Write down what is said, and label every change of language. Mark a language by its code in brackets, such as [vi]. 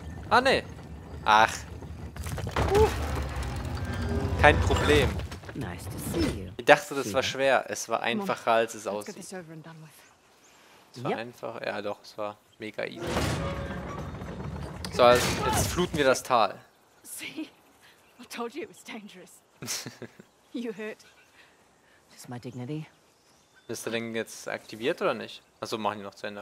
[de] Ah, ne. Ach. Kein Problem. [en] Nice to see you. [de] Ich dachte, das war schwer. Es war einfacher, als es aussieht. Es war einfach. Ja, doch, es war mega easy. So, jetzt fluten wir das Tal. [en] See, I told you it was dangerous. You hurt. Just my dignity. [de] Ist der Ding jetzt aktiviert oder nicht? Achso, machen die noch zu Ende.